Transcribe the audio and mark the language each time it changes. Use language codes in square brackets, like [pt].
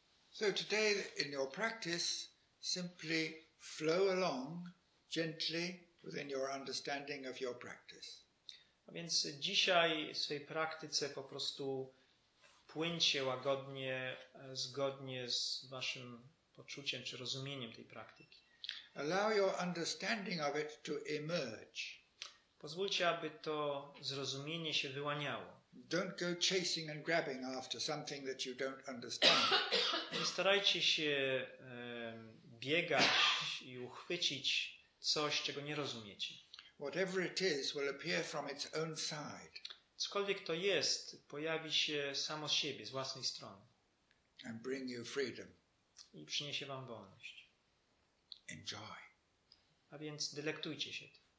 [en] So today in your practice, simply flow along gently within your understanding of your practice. [pl] A więc dzisiaj w swojej praktyce po prostu płyńcie łagodnie, zgodnie z waszym poczuciem czy rozumieniem tej praktyki. [en] Allow your understanding of it to emerge. [pl] Pozwólcie, aby to zrozumienie się wyłaniało. [en] Don't go chasing and grabbing after something that you don't understand. [pl] Nie starajcie się biegać i uchwycić coś, czego nie rozumiecie. [en] Whatever it is will appear from its own side. [pl] Cokolwiek to jest, pojawi się samo z siebie, z własnej strony. [en] And bring you freedom. [pl] I przyniesie wam wolność. [en] Enjoy. [pl] A więc delektujcie się tym.